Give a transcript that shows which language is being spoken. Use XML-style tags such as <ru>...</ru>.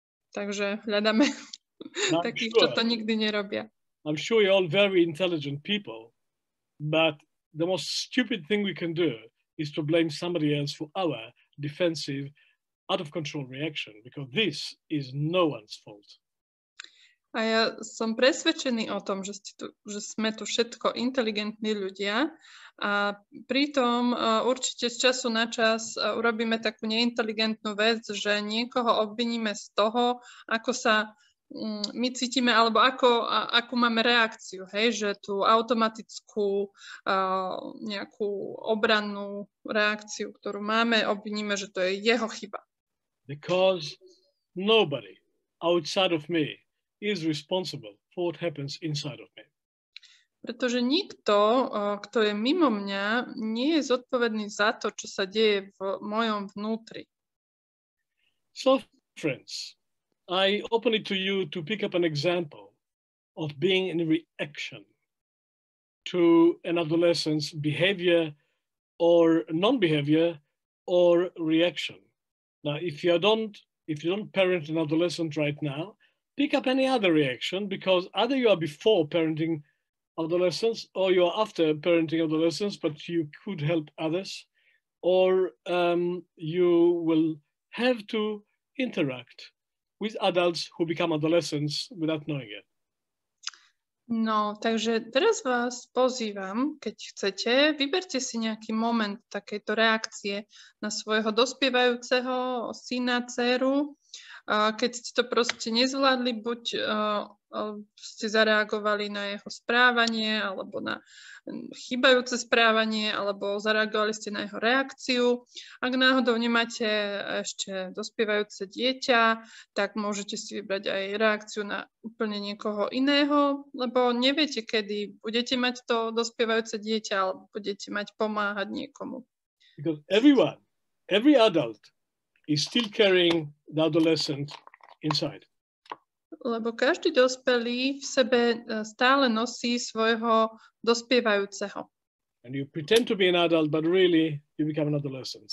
<sk>Takže hľadáme takých, čo to nikdy nerobia.</sk> <en>I'm sure you're all very intelligent people, but the most stupid thing we can do is to blame somebody else for our defensive, out-of-control reaction, because this is no one's fault.</en> <sk>A ja som presvedčený o tom, že sme tu všetko inteligentní ľudia a pritom určite z času na čas urobíme takú neinteligentnú vec, že niekoho obviníme z toho, ako sa my cítime, alebo ako máme reakciu, hej, že tú automatickú nejakú obrannú reakciu, ktorú máme, obviníme, že to je jeho chyba.</sk> <en>Because nobody outside of me is responsible for what happens inside of me.</en> <sk>Pretože nikto, kto je mimo mňa, nie je zodpovedný za to, čo sa deje v mojom vnútri.</sk> <en>So difference. I open it to you to pick up an example of being in reaction to an adolescent's behavior or non-behavior or reaction. Now, if you don't parent an adolescent right now, pick up any other reaction, because either you are before parenting adolescents or you are after parenting adolescents, but you could help others, or you will have to interact with adults who become adolescents without knowing it.</en> <sk>No, takže teraz vás pozývam, keď chcete, vyberte si nejaký moment takejto reakcie na svojho dospievajúceho syna, dcéru. Keď ste to proste nezvládli, buď ste zareagovali na jeho správanie, alebo na chýbajúce správanie, alebo zareagovali ste na jeho reakciu. Ak náhodou nemáte ešte dospievajúce dieťa, tak môžete si vybrať aj reakciu na úplne niekoho iného, lebo neviete, kedy budete mať to dospievajúce dieťa, alebo budete mať pomáhať niekomu.</sk> <en>Because everyone, every adult is still carrying the adolescent inside.</en> <sk>Lebo každý dospelý v sebe stále nosí svojho dospievajúceho.</sk> <en>And you pretend to be an adult, but really you become an adolescent.</en>